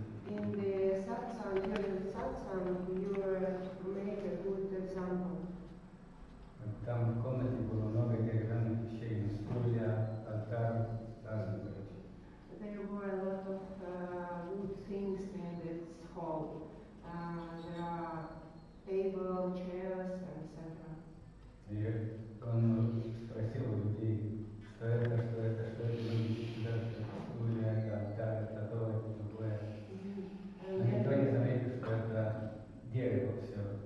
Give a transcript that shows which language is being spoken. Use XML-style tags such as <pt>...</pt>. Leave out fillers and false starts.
<en>In the satsang, you made a good example.</en> <ru>Там в комнате было много деревянных вещей, стулья, алтарь, разные вещи.</ru> <en>There were a lot of wood things in this hall. There are table, chairs, etc.</en> <ru>И он спросил у людей, что это, да, стулья, алтарь, это то, это другое. Но никто не заметил, что это дерево все.</ru>